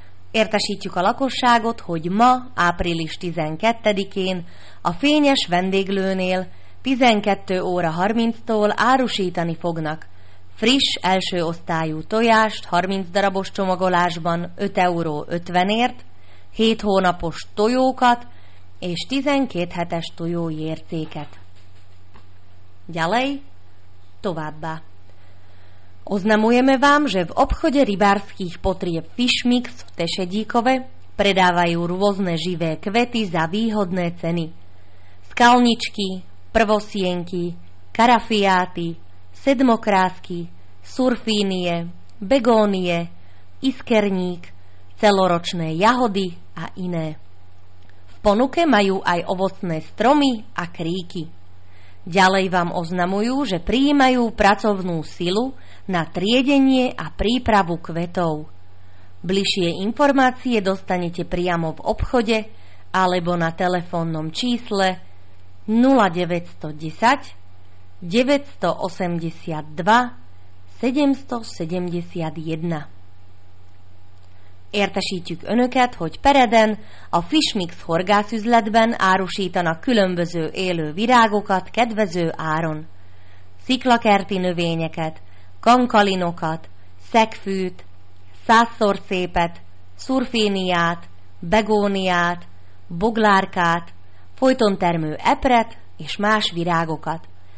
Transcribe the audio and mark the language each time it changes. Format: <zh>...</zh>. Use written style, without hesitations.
<hu>Értesítjük a lakosságot, hogy ma, április 12-én, a Fényes vendéglőnél 12:30-tól árusítani fognak friss első osztályú tojást 30 darabos csomagolásban 5,50 €, 7 hónapos tojókat és 12 hetes tojójércéket.</hu> <sk>Ďalej,</sk> <hu>továbbá.</hu> <sk>Oznamujeme vám, že v obchode rybárskych potrieb Fishmix v Tešedíkove predávajú rôzne živé kvety za výhodné ceny. Skalničky, prvosienky, karafiáty, sedmokrásky, surfínie, begónie, iskerník, celoročné jahody a iné. V ponuke majú aj ovocné stromy a kríky. Ďalej vám oznamujú, že prijímajú pracovnú silu na triedenie a prípravu kvetov. Bližšie informácie dostanete priamo v obchode alebo na telefónnom čísle 0910 982 771.</sk> <hu>Értesítjük önöket, hogy Pereden a Fishmix horgászüzletben árusítanak különböző élő virágokat kedvező áron. Sziklakerti növényeket, kankalinokat, szegfűt, százszorszépet, szurféniát, begóniát, boglárkát, folytontermő epret és más virágokat.</hu>